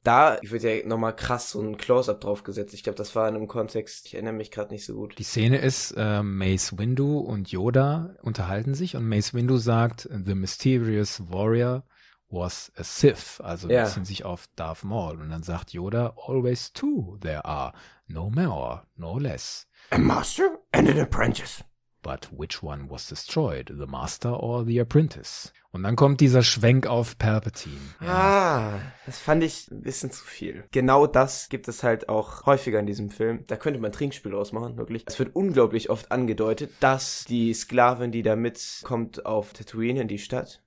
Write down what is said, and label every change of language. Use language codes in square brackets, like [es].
[de] Da wird ja nochmal krass so ein Close-Up drauf gesetzt. Ich glaube, das war in einem Kontext, ich erinnere mich gerade nicht so gut. Die Szene ist, Mace Windu und Yoda unterhalten sich und Mace Windu sagt, [en] The Mysterious Warrior was a Sith, [de] also ja. Beziehen sich auf Darth Maul. Und dann sagt [en] Yoda, always two there are, no more, no less. A master and an apprentice. But which one was destroyed, the master or the apprentice? [de] Und dann kommt dieser Schwenk auf Palpatine. Ja. Ah, das fand ich ein bisschen zu viel. Genau das gibt es halt auch häufiger in diesem Film. Da könnte man Trinkspiel ausmachen, wirklich. Es wird unglaublich oft angedeutet, dass die Sklavin, die da mitkommt auf Tatooine in die Stadt.